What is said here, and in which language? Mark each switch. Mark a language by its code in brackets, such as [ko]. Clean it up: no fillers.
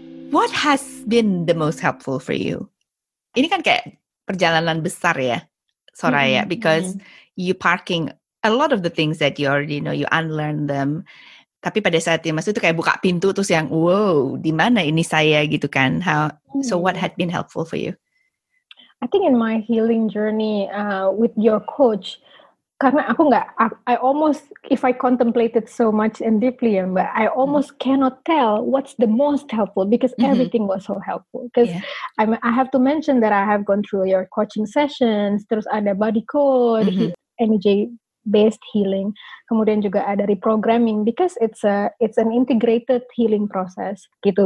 [en] What has been the most helpful for you? [id] Ini kan kayak perjalanan besar ya, [en] Soraya, because you parking a lot of the things that you already know, you unlearn them. [id] Tapi pada saat itu, maksudnya itu kayak buka pintu terus yang wow, di mana ini saya gitu kan? [en] So what had been helpful for you? I think in my healing journey with your coach, [id] karena aku nggak, [en] I almost, if I contemplated so much and deeply, but I almost cannot tell what's the most helpful, because everything was so helpful. Because I have to mention that I have gone through your coaching sessions, terus ada body code, energy based healing, [id] kemudian juga ada [en] reprogramming, because it's an integrated healing process gitu.